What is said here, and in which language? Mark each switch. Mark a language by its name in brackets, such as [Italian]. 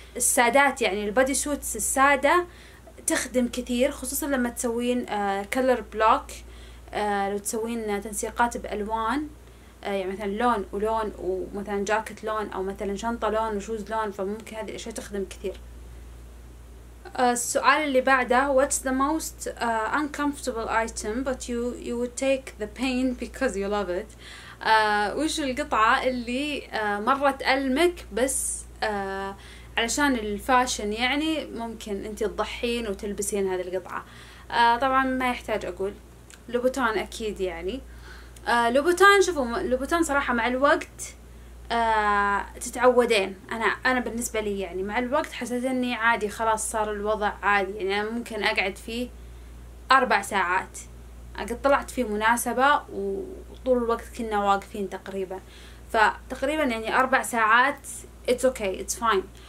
[Arabic] السادات يعني البادي سوتس السادة تخدم كثير، خصوصا لما تسوين كلر بلوك، لو تسوين تنسيقات بألوان، يعني مثلا لون ولون ومثلا جاكت لون او مثلا شنطة لون وشوز لون، فممكن هذه الاشياء تخدم كثير. السؤال اللي بعده، [English] what's the most uncomfortable item but you would take the pain because you love it. [Arabic] وش القطعة اللي مرة تألمك بس علشان الفاشن يعني ممكن انت تضحين وتلبسين هذه القطعة؟ طبعا ما يحتاج اقول لوبوتان اكيد يعني. لوبوتان، شوفوا لوبوتان صراحة مع الوقت تتعودين، انا بالنسبة لي يعني مع الوقت حسيت اني عادي خلاص صار الوضع عادي، يعني أنا ممكن اقعد فيه 4 ساعات، قد طلعت فيه مناسبة وطول الوقت كنا واقفين تقريبا، فتقريبا يعني 4 ساعات [English] it's okay it's fine.